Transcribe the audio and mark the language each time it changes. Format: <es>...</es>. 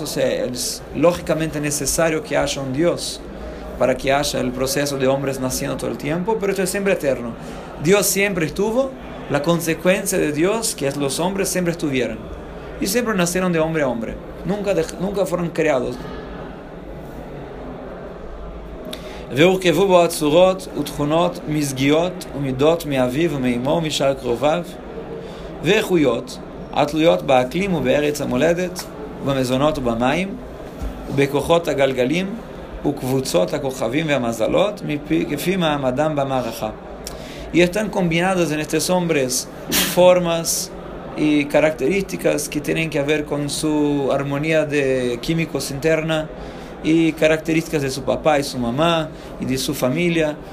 <es>O sea, es lógicamente necesario que haya un Dios para que haya el proceso de hombres naciendo todo el tiempo, pero esto es siempre eterno. Dios siempre estuvo. La consecuencia de Dios, que es los hombres, siempre estuvieron. Y siempre nacieron de hombre a hombre. Nunca fueron creados.</es> <he>והורכבו בו הצורות ותכונות מזגיות ומידות מאביו ומאמו ומשאר קרוביו ואיכויות התלויות באקלים ובארץ המולדת ובמזונות ובמים ובכוחות הגלגלים וקבוצות הכוכבים והמזלות כפי מעמדם במערכה.</he> <es>Y están combinadas en estos hombres formas y características que tienen que ver con su armonía de químicos interna y características de su papá y su mamá y de su familia.</es>